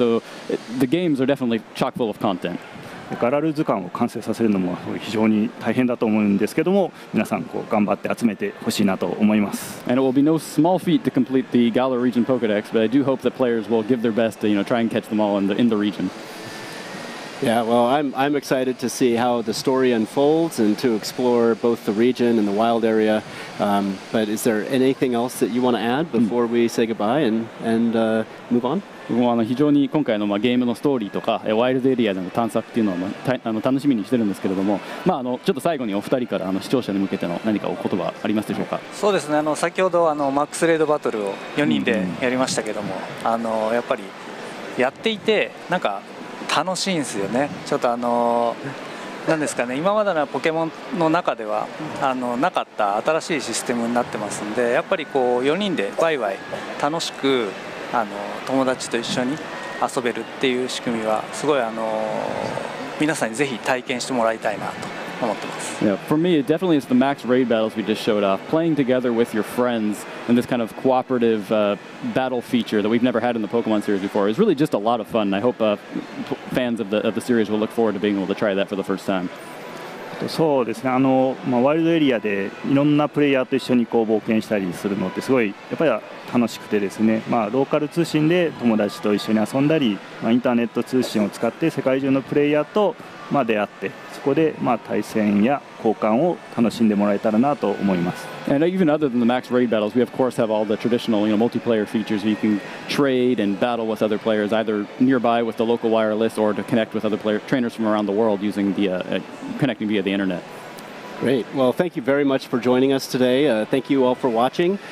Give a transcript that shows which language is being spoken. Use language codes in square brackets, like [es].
[en] So the games are definitely chock full of content. [ja] Galar 図鑑を完成させるのも非常に大変だと思うんですけども、皆さんこう頑張って集めてほしいなと思います。 [en] And it will be no small feat to complete the Galar region Pokedex, but I do hope that players will give their best to, you know, try and catch them all in the region. Yeah, well, I'm excited to see how the story unfolds and to explore both the region and the wild area. But is there anything else that you want to add before we say goodbye and move on? [ja] 僕も非常に今回のゲームのストーリーとかワイルドエリアでの探索っていうのを楽しみにしてるんですけれども、まあ、ちょっと最後にお二人から視聴者に向けての何かお言葉ありますでしょうか。そうですね、先ほどマックスレードバトルを4人でやりましたけども、やっぱりやっていてなんか楽しいんですよね。ちょっと何ですかね、今までのポケモンの中ではなかった新しいシステムになってますんで、やっぱりこう4人でワイワイ楽しく友達と一緒に遊べるっていう仕組みはすごい皆さんにぜひ体験してもらいたいなと思ってます。 [en] Yeah, for me it definitely is the max raid battles we just showed off, playing together with your friends and this kind of cooperative battle feature that we've never had in the Pokemon series before is really just a lot of fun. I hope fans of the series will look forward to being able to try that for the first time. [ja] そうですね、まあ、ワイルドエリアでいろんなプレイヤーと一緒にこう冒険したりするのってすごいやっぱり楽しくてですね、まあ、ローカル通信で友達と一緒に遊んだり、まあ、インターネット通信を使って世界中のプレイヤーと、まあ、出会ってそこで、まあ、対戦や交換を楽しんでもらえたらなと思います。 [en] And even other than the max raid battles, we of course have all the traditional, you know, multiplayer features where you can trade and battle with other players either nearby with the local wireless or to connect with other player, trainers from around the world using the, connecting via the internet. Great. Well, thank you very much for joining us today. Thank you all for watching.